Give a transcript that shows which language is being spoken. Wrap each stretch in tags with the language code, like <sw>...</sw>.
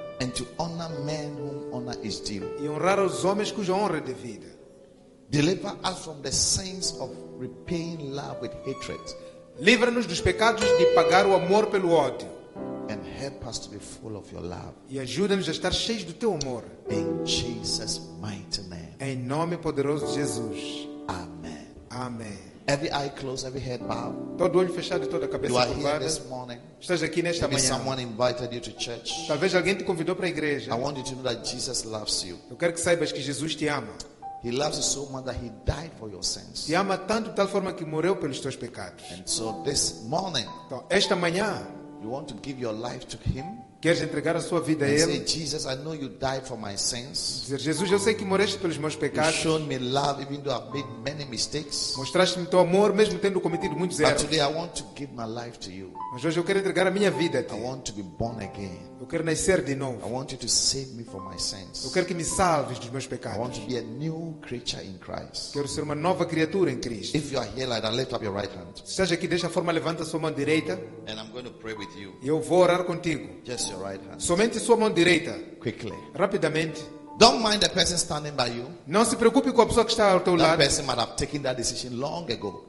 <en>And to honor men whom honor is due.</en> <pt>E honrar os homens cuja honra é devida.</pt> <en>Deliver us from the sins of repaying love with hatred.</en> <pt>Livra-nos dos pecados de pagar o amor pelo ódio.</pt> <en>And help us to be full of your love.</en> <pt>E ajuda-nos a estar cheios do teu amor.</pt> <en>In Jesus' mighty name.</en> <pt>Em nome poderoso de Jesus.</pt> <en>Amen. Amen. Every eye closed, every head bowed.</en> <pt>Todo olho fechado e toda cabeça curvada. Estás aqui nesta</pt> <en>Maybe</en> <pt>manhã.</pt> <en>Someone invited you to church.</en> <pt>Talvez alguém te convidou para a igreja.</pt> <en>I want you to know that Jesus loves you.</en> <pt>Eu quero que saibas que Jesus te ama.</pt> <en>He loves you so much that he died for your sins.</en> <pt>Te ama tanto de tal forma que morreu pelos teus pecados.</pt> <en>And so this morning,</en> <pt>então, esta manhã,</pt> <en>you want to give your life to him?</en> <pt>Queres entregar a sua vida a ele?</pt> <en>Say, Jesus, I know you died for my sins.</en> <pt>Dizer, Jesus, eu sei que morreste pelos meus pecados.</pt> <en>You showed me love even though I've made many mistakes.</en> <pt>Mostraste-me teu amor mesmo tendo cometido muitos erros.</pt> <en>But today I want to give my life to you.</en> <pt>Mas hoje eu quero entregar a minha vida a ti.</pt> <en>I want to be born again.</en> <pt>Eu quero nascer de novo.</pt> <en>I want you to save me from my sins.</en> <pt>Eu quero que me salves dos meus pecados.</pt> <en>I want to be a new creature in Christ.</en> <pt>Quero ser uma nova criatura em Cristo.</pt> <en>If you are here, like that, lift up your right hand.</en> <pt>Se estás aqui, deixa a forma, levanta a sua mão direita.</pt> <en>And I'm going to pray with you.</en> <pt>E eu vou orar contigo.</pt> <en>Just your right hand.</en> <pt>Somente sua mão direita.</pt> <en>Quickly.</en> <pt>Rapidamente.</pt> <en>Don't mind the person standing by you.</en> <pt>Não se preocupe com a pessoa que está ao teu lado.</pt> <en>That person might have taken that decision long ago.</en>